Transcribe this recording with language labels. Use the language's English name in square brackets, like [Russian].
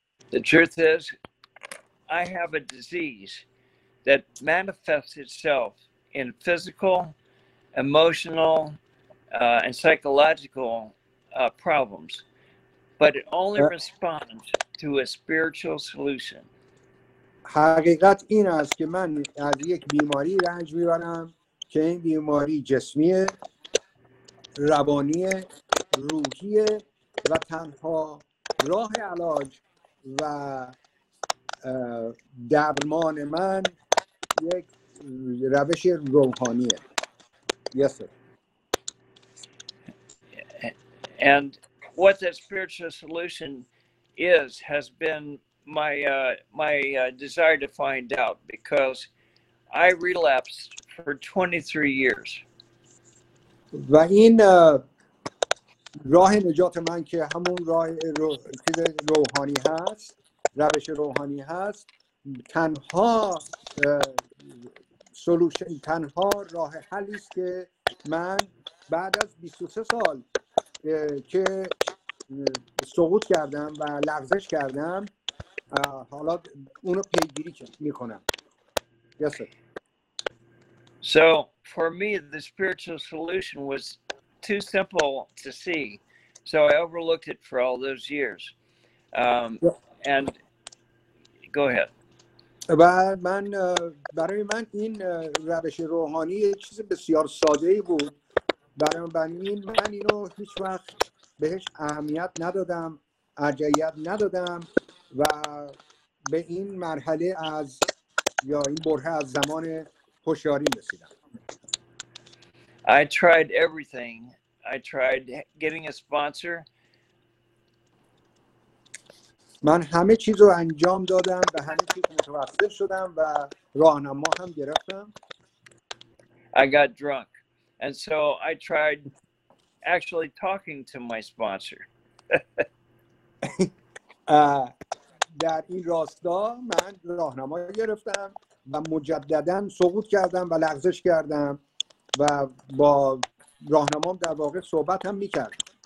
[English] The truth is I have a disease that manifests itself in physical, emotional, and psychological problems, but it only responds to a spiritual solution. [Persian] حقیقت این است که من از یک بیماری رنج میبرم که این بیماری جسمیه، روانیه، روحیه و تنها راه علاج و درمان من یک روش روحانیه. [English] Yes, sir. And what that spiritual solution is has been my desire to find out, because I relapsed for 23 years. [Persian] و این راه نجات من که همون راه روحانی هست، روش روحانی هست، تنها سولوشن، تنها راه حلی است که من بعد از 23 سال که سقوط کردم و لغزش کردم حالا اونو پیگیری میکنم. [English] Yes, sir. So for me the spiritual solution was too simple to see, so I overlooked it for all those years. And go ahead. [Persian] و من برای من این روش روحانی چیز بسیار ساده‌ای بود، برای من اینو هیچ وقت بهش اهمیت ندادم، ارجحیت ندادم و به این مرحله از یا این برهه از زمان هوشیاری رسیدم. [English] I tried everything. I tried getting a sponsor. [Persian] من همه چیز رو انجام دادم و همه چیز متوسل شدم و راهنما هم گرفتم. [English] I got drunk. And so I tried actually talking to my sponsor. [Persian] در این راستا من راهنما گرفتم و مجدداً سقوط کردم و لغزش کردم و با راهنمام در واقع صحبت هم می‌کردم.